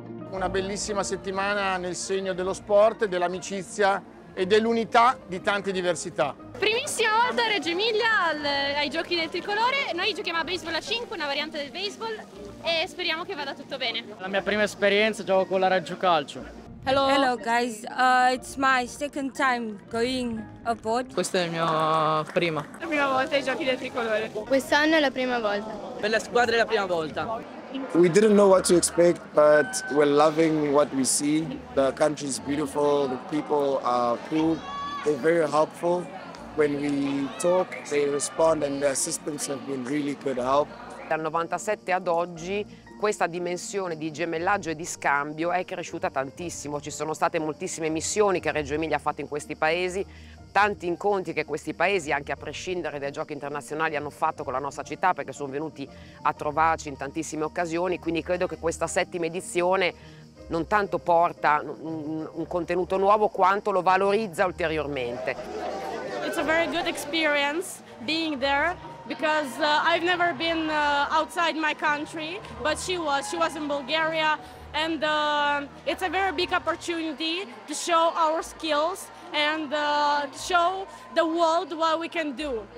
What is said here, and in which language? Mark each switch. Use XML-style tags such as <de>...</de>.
<it>Una bellissima settimana nel segno dello sport, dell'amicizia e dell'unità di tante diversità. Primissima volta a Reggio Emilia ai giochi del tricolore. Noi giochiamo a baseball a 5, una variante del baseball, e speriamo che vada tutto bene. La mia prima esperienza, gioco con la Reggio Calcio.</it> <en>Hello. Hello guys, it's my second time going abroad.</en> <it>Questa è la mia prima. La prima volta ai giochi del tricolore. Quest'anno è la prima volta. Per la squadra è la prima volta.</it> <en>We didn't know what to expect, but we're loving what we see. The country is beautiful, the people are cool, they're very helpful. When we talk, they respond and the assistants have been really good help.</en> <it>Dal 97 ad oggi questa dimensione di gemellaggio e di scambio è cresciuta tantissimo. Ci sono state moltissime missioni che Reggio Emilia ha fatto in questi paesi, tanti incontri che questi paesi, anche a prescindere dai giochi internazionali, hanno fatto con la nostra città, perché sono venuti a trovarci in tantissime occasioni. Quindi credo che questa 7ª edizione non tanto porta un contenuto nuovo, quanto lo valorizza ulteriormente.</it> <en>It's a very good experience being there. Because I've never been outside my country, but she was in Bulgaria, and it's a very big opportunity to show our skills and to show the world what we can do.</en>